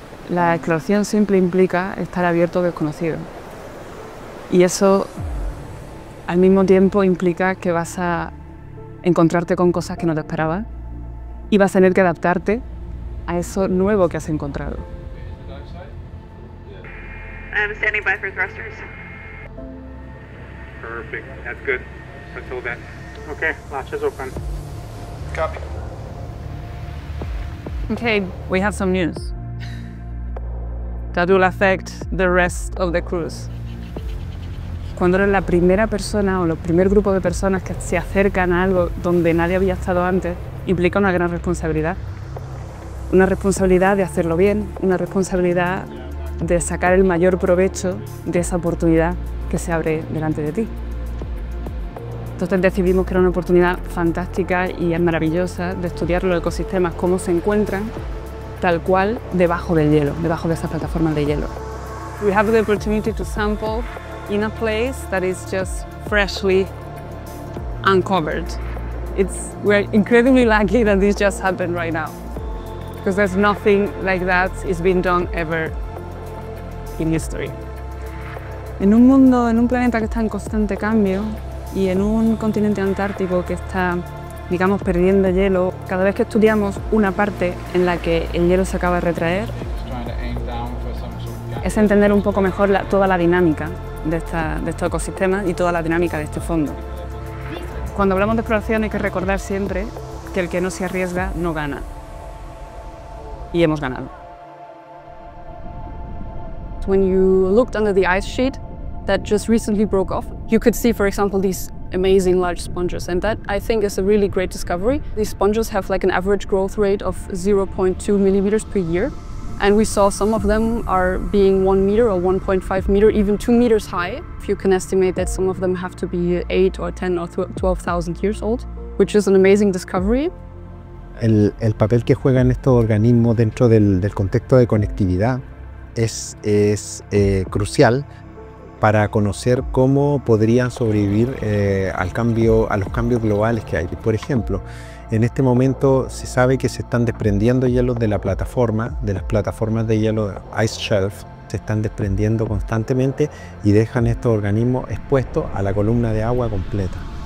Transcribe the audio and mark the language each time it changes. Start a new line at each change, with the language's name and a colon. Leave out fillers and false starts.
Spanish: La exploración siempre implica estar abierto al desconocido. Y eso, al mismo tiempo, implica que vas a encontrarte con cosas que no te esperabas y vas a tener que adaptarte a eso nuevo que has encontrado.
English: I'm standing by for thrusters. Perfect. That's good. Until then. Okay, latches open. Copy. Okay, we have some news. That will affect the rest of the cruise.
Spanish: Cuando eres la primera persona o el primer grupo de personas que se acercan a algo donde nadie había estado antes, implica una gran responsabilidad. Una responsabilidad de hacerlo bien, una responsabilidad de sacar el mayor provecho de esa oportunidad que se abre delante de ti. Entonces decidimos que era una oportunidad fantástica y es maravillosa de estudiar los ecosistemas, cómo se encuentran tal cual debajo del hielo, debajo de esas plataformas de hielo.
English: We have the opportunity to sample in a place that is just freshly uncovered. We're incredibly lucky that this just happened right now, because there's nothing like that has been done ever in history.
Spanish: En un mundo, en un planeta que está en constante cambio y en un continente antártico que está, digamos, perdiendo hielo, cada vez que estudiamos una parte en la que el hielo se acaba de retraer, es entender un poco mejor toda la dinámica de estos ecosistemas y toda la dinámica de este fondo. Cuando hablamos de exploración hay que recordar siempre que el que no se arriesga no gana. Y hemos ganado.
English: When you looked under the ice sheet that just recently broke off, you could see, for example, these amazing large sponges, and that I think is a really great discovery. These sponges have like an average growth rate of 0.2 millimeters per year, and we saw some of them are being 1 meter or 1.5 meter, even 2 meters high. If you can estimate that some of them have to be 8 or 10 or 12,000 years old, which is an amazing discovery.
Spanish: El papel que juegan estos organismos dentro del contexto de conectividad es crucial para conocer cómo podrían sobrevivir a los cambios globales que hay. Por ejemplo, en este momento se sabe que se están desprendiendo hielos de las plataformas de hielo ice shelf, se están desprendiendo constantemente y dejan estos organismos expuestos a la columna de agua completa.